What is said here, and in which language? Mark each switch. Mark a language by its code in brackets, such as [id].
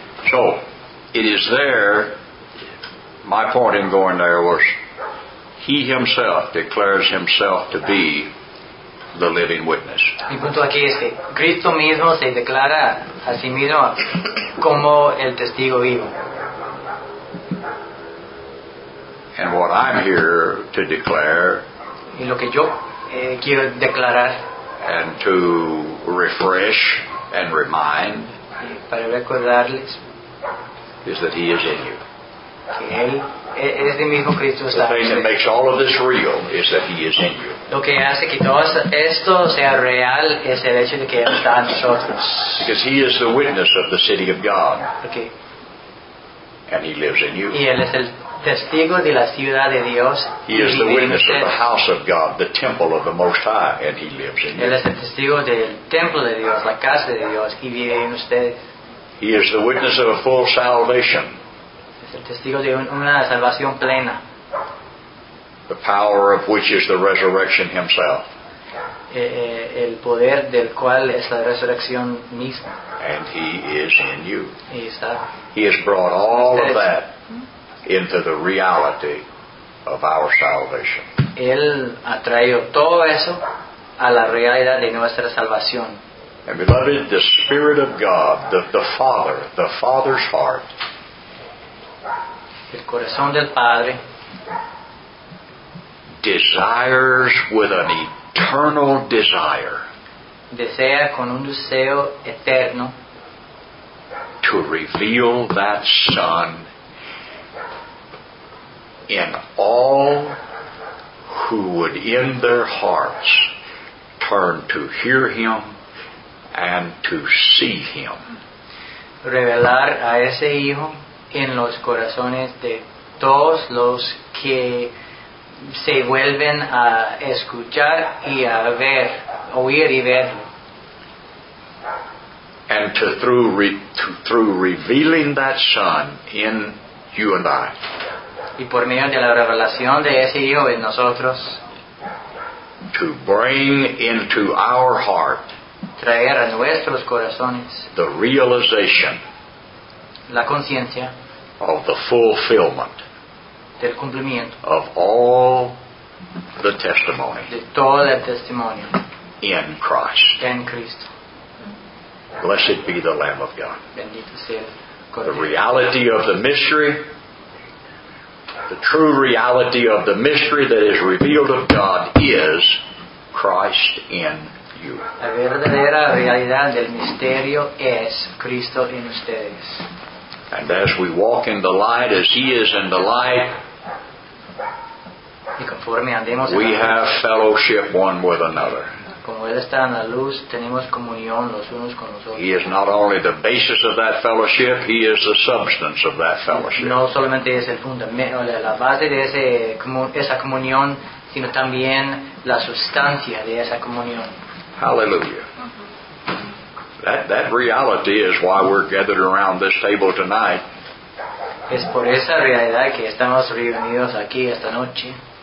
[en] So, it is there, my point in going there was, he himself declares himself to be the living witness. [es] Mi punto aquí es que Cristo mismo se declara a sí mismo como el testigo vivo. [en] And what I'm here to declare, [es] y lo que yo quiero declarar, [en] and to refresh and remind, [es] para recordarles, [en] is that he is in you. [es] Que él, mismo Cristo está. [en] The thing that makes all of this real is that he is in you. [es] Lo que hace que todo esto sea real es el hecho de que él está en nosotros. [en] Because he is the witness of the city of God. Okay. And he lives in you. [es] Y él es el testigo de la ciudad de Dios. [en] He is the witness of the house of God, the temple of the Most High, and he lives in you. [es] Él es el testigo del templo de Dios, la casa de Dios, y vive en ustedes. [en] He is the witness of a full salvation. [es] El testigo de una salvación plena. [en] The power of which is the resurrection himself. [es] El poder del cual es la resurrección misma. [en] And he is in you. [es] Y está. [en] He has brought all of that into the reality of our salvation. [es] Él ha traído todo eso a la realidad de nuestra salvación. [en] And beloved, the Spirit of God, the Father, the Father's heart, [es] el corazón del Padre, [en] desires with an eternal desire, [es] desea con un deseo eterno, [en] to reveal that Son in all who would in their hearts turn to hear Him and to see Him. [es] Revelar a ese Hijo en los corazones de todos los que se vuelven a escuchar y a ver, oír y verlo. [en] And to through revealing that Son in you and I. [es] Y por medio de la revelación de ese Hijo en nosotros. [en] To bring into our heart. [es] Traer a nuestros corazones. [en] The realization. [es] La conciencia. [en] Of the fulfillment. [es] Del cumplimiento. [en] Of all the testimony. [es] De todo el testimonio. [en] In Christ. [es] En Cristo. [en] Blessed be the Lamb of God. [es] Bendito sea el Cordero. [en] The reality of the mystery. The true reality of the mystery that is revealed of God is Christ in you. [es] La verdadera realidad del misterio es Cristo en ustedes. [en] And as we walk in the light, as He is in the light, [es] y conforme andemos [en] we have fellowship one with another. [es] Como Él está en la luz, tenemos comunión los unos con los otros. [en] He is not only the basis of that fellowship, He is the substance of that fellowship. [es] No solamente es el fundamento, la base de esa comunión, sino también la sustancia de esa comunión. [en] Hallelujah. That reality is why we're gathered around this table tonight. [es] Es por esa realidad que estamos reunidos aquí esta noche.